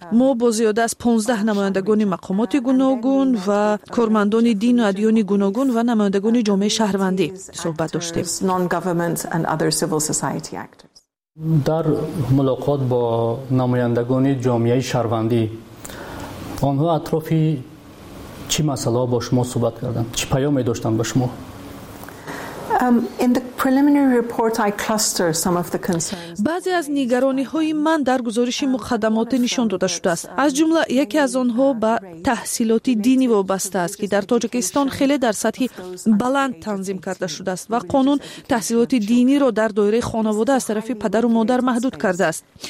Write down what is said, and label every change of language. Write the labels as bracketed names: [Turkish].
[Persian] ما با زیاده از 15 نمایندگان مقامات گوناگون و کارمندان دین و ادیان گوناگون و نمایندگان جامعه شهروندی صحبت داشتیم. در ملاقات با نمایندگان جامعه شهروندی آنها اطراف چی مسئله با شما صحبت کردند؟ چی پیامی داشتند به شما؟ [English] In the preliminary report, I cluster some of the concerns. [Persian] بعضی از نگرانی های من در گزارش مقدمات نشان داده شده است. از جمله یکی از آنها به تحصیلات دینی وابسته است که در تاجیکستان خیلی در سطح بلند تنظیم کرده شده است و قانون تحصیلات دینی را در دایره خانواده از طرف پدر و مادر محدود کرده است.